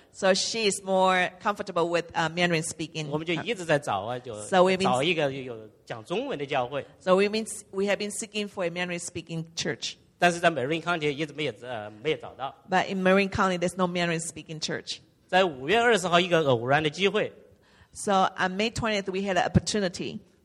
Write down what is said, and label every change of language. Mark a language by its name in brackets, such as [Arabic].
[English] So she is more comfortable with Mandarin speaking. [Chinese] 我们就一直在找啊，就找一个有讲中文的教会。 [English] So we have been seeking for a Mandarin speaking church. [Chinese] 但是在 Marin County 一直没有找到。 [English] But in Marin County, there's no Mandarin speaking church. [Chinese] 在五月二十号一个偶然的机会。 [English] So on May 20th, we had an opportunity.